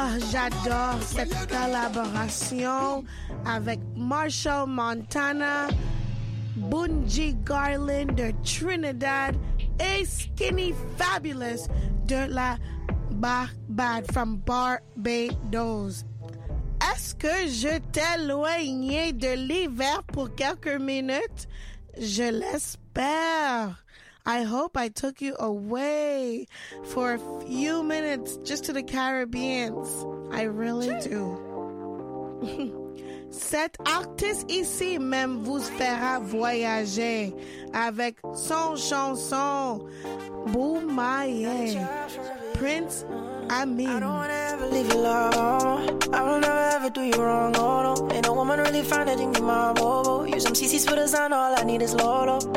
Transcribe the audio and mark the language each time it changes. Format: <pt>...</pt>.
<fr>J'adore cette collaboration avec Marshall Montana, Bungie Garland de Trinidad et Skinny Fabulous de la Barbade</fr> <en>from Barbados.</en> <fr>Est-ce que je t'éloigne de l'hiver pour quelques minutes? Je l'espère.</fr> <en>I hope I took you away for a few minutes just to the Caribbean. I really do.</en> <fr>Cet artiste ici même vous fera voyager avec son chanson Boumaye, Prince Amin.</fr> <en>I don't ever leave you alone. I will never ever do you wrong, oh no. Ain't a woman really find it in your mind, oh, oh. Use some CCs for design, all I need is Lolo.</en>